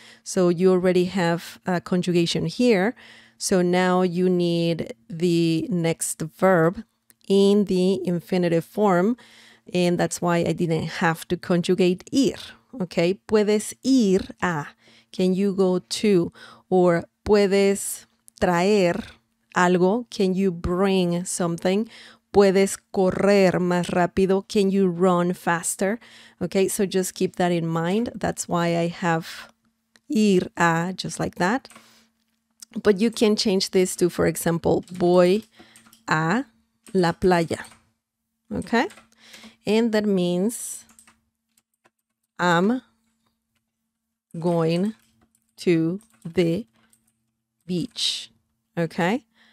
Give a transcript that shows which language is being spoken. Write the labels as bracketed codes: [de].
[en] So you already have a conjugation here. So now you need the next verb in the infinitive form. And that's why I didn't have to conjugate ir. Okay. [es] Puedes ir a. [en] Can you go to? [es] Or puedes traer algo. [en] Can you bring something? [es] Puedes correr más rápido. [en] Can you run faster? Okay. So just keep that in mind. That's why I have ir a just like that. But you can change this to, for example, [es] voy a la playa, [en] okay? And that means I'm going to the beach, okay?